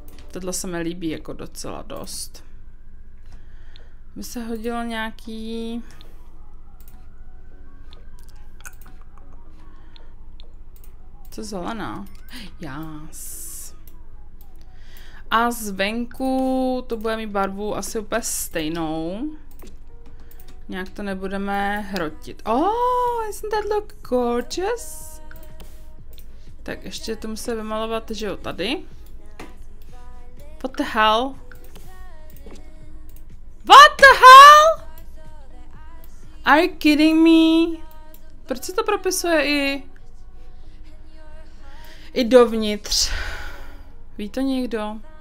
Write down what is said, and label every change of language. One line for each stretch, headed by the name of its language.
Czech: Tohle se mi líbí jako docela dost. By se hodilo nějaký... Co zelená? Jas. A zvenku to bude mít barvu asi úplně stejnou. Nějak to nebudeme hrotit.
English: Oh, isn't that look gorgeous?
Czech: Tak ještě to musím vymalovat, že jo, tady.
English: What the hell? What the hell? Are you kidding me?
Czech: Proč se to propisuje i dovnitř? Ví to někdo?